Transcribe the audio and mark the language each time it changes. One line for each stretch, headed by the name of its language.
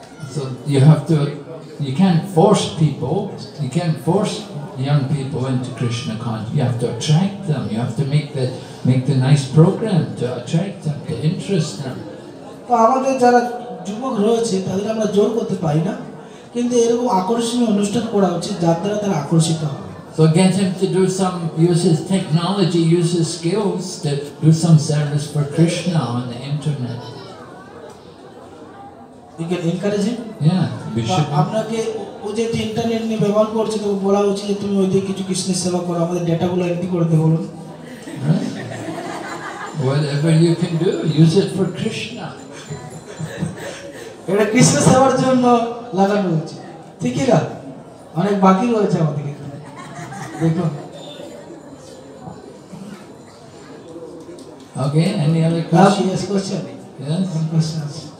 English: So you have to, you can't force people, you can't force young people into Krishna consciousness. You have to attract them. You have to make the nice program to attract them, to interest them.
Bangla: তো আমাদের যারা যুবক রয়েছে তাদের আমরা জোর করতে পারি না, কিন্তু এরকম আকর্ষণীয় অনুষ্ঠান করা উচিত যার দ্বারা তারা আকর্ষিত হবে।
English: So get him to do some, use his technology, use his skills to do some service for Krishna on the internet. You can encourage him? Yeah, we should.
Bangla: আপনাকে ও যেহেতু ইন্টারনেট নিয়ে ব্যবহার করছে তো বলা উচিত যে তুমি ওইদিকে কিছু কৃষ্ণের সেবা করো, আমাদের ডেটাগুলো এন্ট্রি করে দে বলুন।
English: Whatever you can do, use it for Krishna.
Bangla: এটা কৃষ্ণ সেবার জন্য লাগানো হচ্ছে, ঠিক কি না? অনেক বাকি রয়েছে আমাদের কিন্তু দেখুন।
English: Okay, any other question? Yes, question. Yes, some questions.